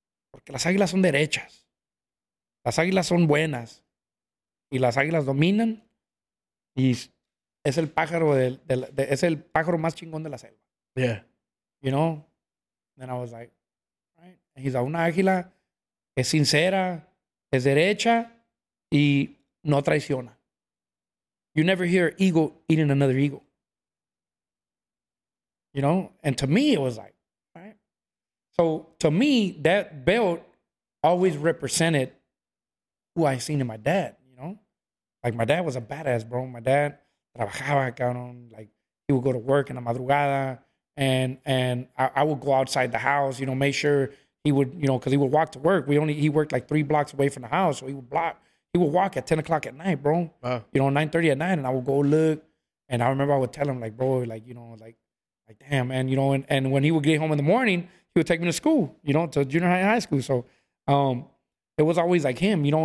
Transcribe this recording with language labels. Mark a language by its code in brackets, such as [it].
[es] Porque las águilas son derechas. Las águilas son buenas. Y las águilas dominan. Y es el pájaro es el pájaro más chingón de la selva. [en] Yeah. You know? And then I was like, right. And he's like, [es] una águila es sincera, es derecha, y no traiciona. [en] You never hear eagle eating another eagle. You know? And to me, it was like, right. So to me, that belt always represented who I seen in my dad, you know? Like, my dad was a badass, bro. My dad [es] trabajaba, cabrón. [en] Like, he would go to work in the madrugada, and I would go outside the house, you know, make sure he would, you know, because he would walk to work. He worked like 3 blocks away from the house, so he would walk at 10 o'clock at night, bro. Wow. You know, 9:30 at night, and I would go look, and I remember I would tell him, like, bro, like, you know, like damn, man, you know, and when he would get home in the morning, he would take me to school, you know, to junior high and high school. So, it was always like him, you know.